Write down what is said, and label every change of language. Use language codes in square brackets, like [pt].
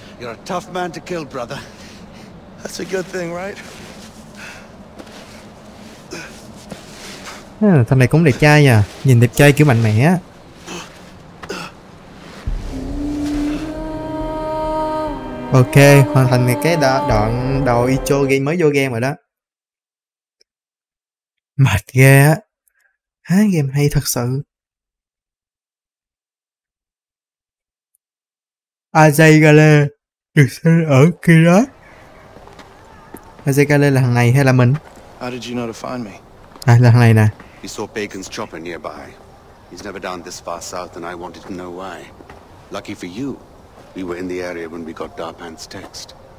[en] You're a tough man to kill, brother. That's a good thing, right? [vi] Thằng này cũng đẹp trai nha. Nhìn đẹp trai kiểu mạnh mẽ. Ok, hoàn thành cái đoạn đầu intro game mới vô game rồi đó. Mệt ghê á. Game hay thật sự. Ajay Gale được sinh ở Kira. Ajay Gale là thằng này hay là mình? [en] How did you know to find me? [vi] À, là thằng này nè. [en] You saw Bacon's chopper nearby. He's never down this far south, and I wanted to know why. Lucky for you, we were in the area when we got Darpan's text.